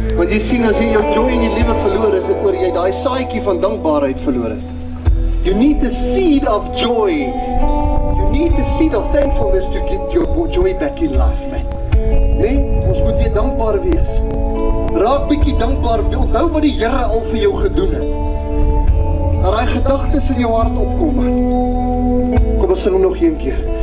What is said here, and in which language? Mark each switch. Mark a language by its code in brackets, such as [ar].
[af] Jy sien, as jy jou joy in jou lewe verloor, is dit oor jy die saaikie van dankbaarheid verloor het. [en] You need the seed of joy. You need the seed of thankfulness to get your joy back in life, man. [af] Nee, ons moet weer dankbaar wees. Raak bietjie dankbaar, onthou wat die Here al vir jou gedoen het. Dat hy gedagtes in jou hart opkom. Kom, ons sing hom nog een keer.